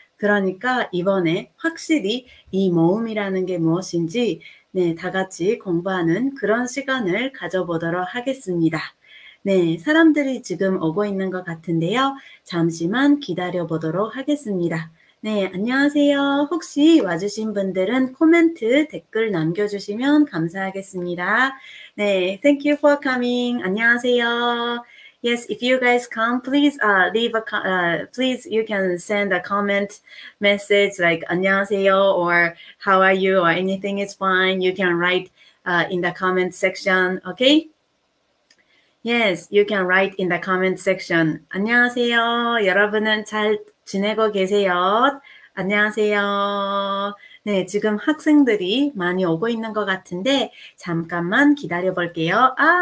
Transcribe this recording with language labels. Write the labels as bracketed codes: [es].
[ko] 그러니까 이번에 확실히 이 모음이라는 게 무엇인지, 네, 다 같이 공부하는 그런 시간을 가져보도록 하겠습니다. 네, 사람들이 지금 오고 있는 것 같은데요. 잠시만 기다려 보도록 하겠습니다. 네, 안녕하세요. 혹시 와주신 분들은 코멘트, 댓글 남겨주시면 감사하겠습니다. [en] 네, thank you for coming. 안녕하세요. Yes, if you guys come, please please you can send a comment message like 안녕하세요 or how are you or anything is fine. You can write in the comment section, okay? Yes, you can write in the comment section. [ko] 안녕하세요. 여러분은 잘 지내고 계세요? 안녕하세요. 네, 지금 학생들이 많이 오고 있는 것 같은데 잠깐만 기다려 볼게요.